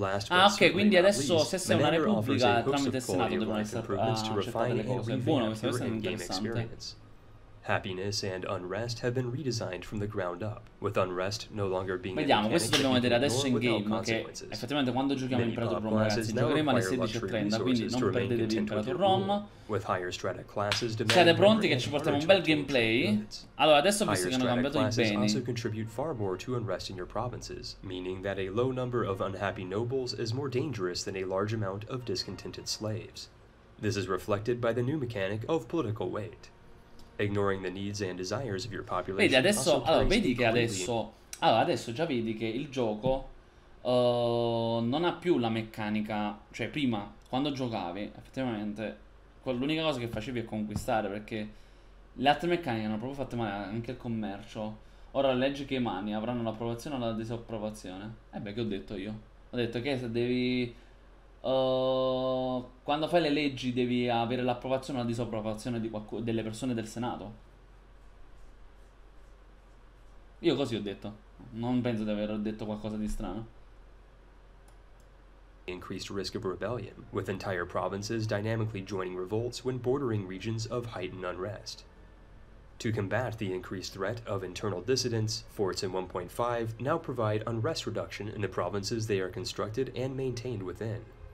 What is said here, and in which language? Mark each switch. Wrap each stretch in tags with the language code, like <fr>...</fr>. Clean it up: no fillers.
<it>Ah, ok, quindi adesso se sei una repubblica, tramite il Senato devono essere accettate le cose. Buono, questo è interessante.</it> <en>Happiness and unrest have been redesigned from the ground up, with unrest no longer being</en> <it>vediamo, questo dobbiamo vedere adesso in game, che effettivamente quando giochiamo Imperator Rom, ragazzi, giocheremo alle 16:30, quindi non perdetevi Imperator Rom. Siete pronti che ci portiamo un bel gameplay? Allora, adesso visto che hanno cambiato i beni,</it> <en>also contribute far more to unrest in your provinces, meaning that a low number of unhappy nobles is more dangerous than a large amount of discontented slaves. This is reflected by the new mechanic of political weight. Ignoring the needs and desires of your population.</en> <it>Vedi adesso, allora vedi che adesso, allora adesso già vedi che il gioco non ha più la meccanica, cioè prima quando giocavi effettivamente l'unica cosa che facevi è conquistare, perché le altre meccaniche hanno proprio fatto male, anche il commercio. Ora leggi che i mani avranno l'approvazione o la disapprovazione. Eh beh, che ho detto io? Ho detto che se devi quando fai le leggi devi avere l'approvazione o la disapprovazione di delle persone del Senato. Io così ho detto. Non penso di aver detto qualcosa di strano.</it> <en>Increased risk of rebellion, with entire provinces dynamically joining revolts when bordering regions of heightened unrest. To combat the increased threat of internal dissidents, forts in 1.5 now provide unrest reduction in the provinces they are constructed and maintained within.</en>